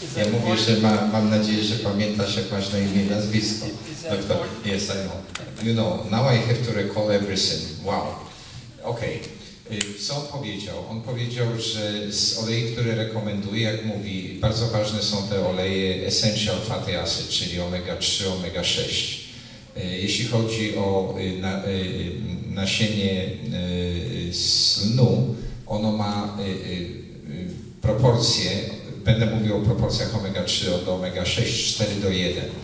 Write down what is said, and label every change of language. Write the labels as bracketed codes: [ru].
[pl] Ja mówię, że mam nadzieję, że pamiętasz jakąś na imię nazwisko. [en] Doktor, yes, I know. You know, now I have to recall everything. [pl] Wow. Okay. Co on powiedział? On powiedział, że z olejów, które rekomenduje, jak mówi, bardzo ważne są te oleje essential fatty acid, czyli omega 3, omega 6. Jeśli chodzi o nasienie z lnu, ono ma proporcje, będę mówił o proporcjach omega 3 do omega 6, 4 do 1.